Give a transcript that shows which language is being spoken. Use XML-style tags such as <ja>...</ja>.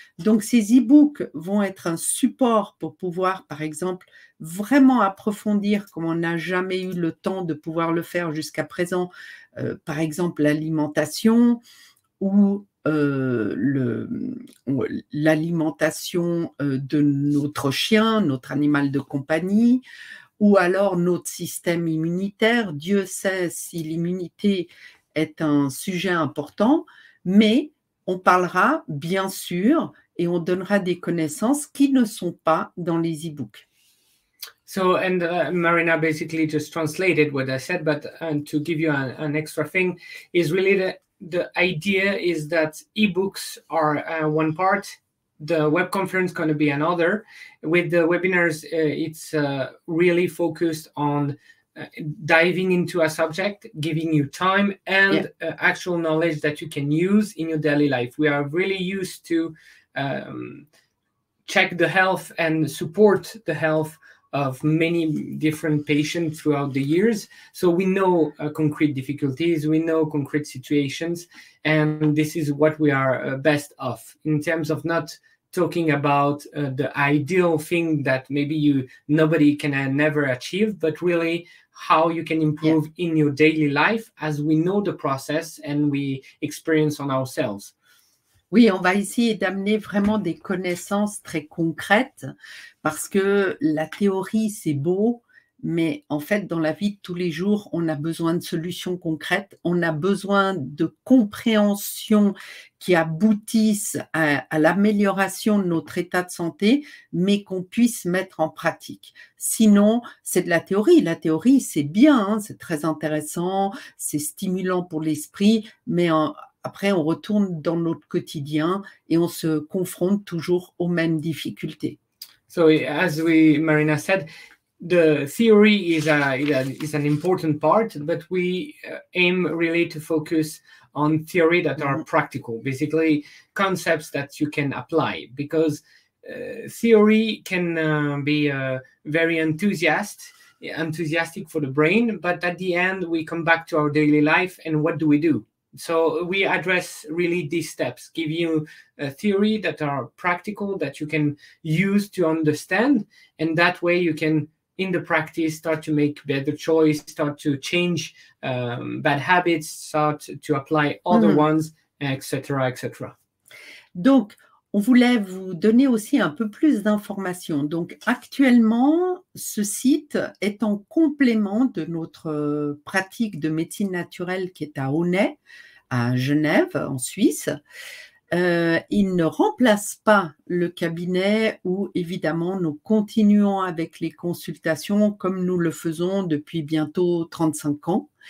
<fr>Donc, ces e-books vont être un support pour pouvoir, par exemple, vraiment approfondir, comme on n'a jamais eu le temps de pouvoir le faire jusqu'à présent, par exemple, l'alimentation ou l'alimentation de notre chien, notre animal de compagnie, ou alors notre système immunitaire. Dieu sait si l'immunité est un sujet important, mais on parlera bien sûr et on donnera des connaissances qui ne sont pas dans les e-books.</fr> <en>So, and Marina basically just translated what I said, but and to give you an extra thing, is really the idea is that e-books are one part, the web conference is going to be another. With the webinars, it's really focused on diving into a subject, giving you time and actual knowledge that you can use in your daily life. We are really used to check the health and support the health of many different patients throughout the years. So we know concrete difficulties, we know concrete situations, and this is what we are best of in terms of not talking about the ideal thing that maybe nobody can never achieve, but really how you can improve in your daily life as we know the process and we experience on ourselves.</en> <fr>Oui, on va essayer d'amener vraiment des connaissances très concrètes parce que la théorie, c'est beau, mais en fait, dans la vie de tous les jours, on a besoin de solutions concrètes, on a besoin de compréhensions qui aboutissent à l'amélioration de notre état de santé, mais qu'on puisse mettre en pratique. Sinon, c'est de la théorie. La théorie, c'est bien, hein, c'est très intéressant, c'est stimulant pour l'esprit, mais après, on retourne dans notre quotidien et on se confronte toujours aux mêmes difficultés.</fr> <en>So, as we, Marina said, the theory is an important part, but we aim really to focus on theory that are practical, basically concepts that you can apply, because theory can be very enthusiastic for the brain, but at the end we come back to our daily life and what do we do? So we address really these steps, give you a theory that are practical that you can use to understand, and that way you can in the practice start to make better choice, start to change bad habits, start to apply other ones, etc., etc.</en> <fr>Donc on voulait vous donner aussi un peu plus d'informations. Donc actuellement, ce site est en complément de notre pratique de médecine naturelle qui est à Aunay, à Genève, en Suisse. Il ne remplace pas le cabinet où, évidemment, nous continuons avec les consultations comme nous le faisons depuis bientôt 35 ans.</fr>